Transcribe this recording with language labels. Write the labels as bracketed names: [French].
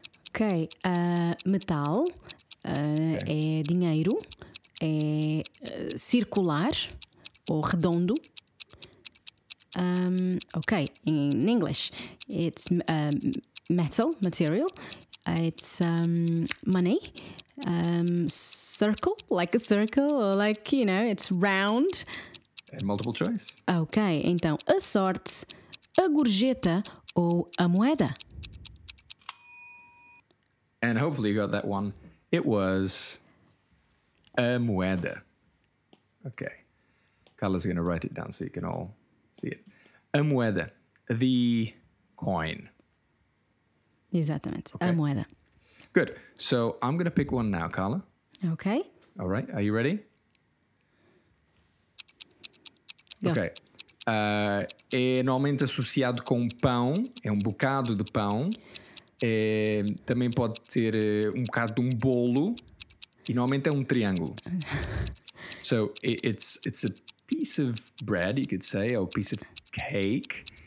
[Portuguese] Okay, metal. Okay. É dinheiro, é circular ou redondo. [English] Okay, in English, it's material. It's money. Circle, like a circle, or like, you know, it's round. And multiple choice. [Portuguese] Okay, então, a sorte, a gorjeta ou a moeda. [English] And hopefully you got that one. It was a moeda. Okay. Carla's going to write it down so you can all see it. A moeda, the coin. [Portuguese] Exatamente, okay. A moeda. [English] Good. So I'm going to pick one now, Carla. Okay. All right. Are you ready? Go. [Portuguese] Okay. É normalmente associado com pão. É um bocado de pão. É, também pode ter um bocado de um bolo. E normalmente é um triângulo. [English] So it's a piece of bread, you could say, or a piece of cake.